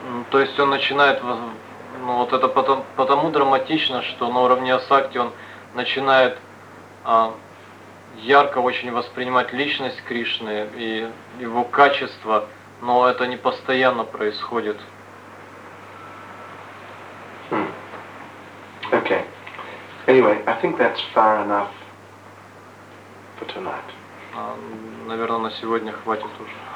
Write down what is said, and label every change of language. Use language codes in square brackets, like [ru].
[ru] То есть он начинает, ну вот это потому драматично, что на уровне асакти он начинает ярко очень воспринимать личность Кришны и его качество, но это не постоянно происходит. [en] Okay. Anyway, I think that's far enough for tonight. [ru] Наверное, на сегодня хватит уже.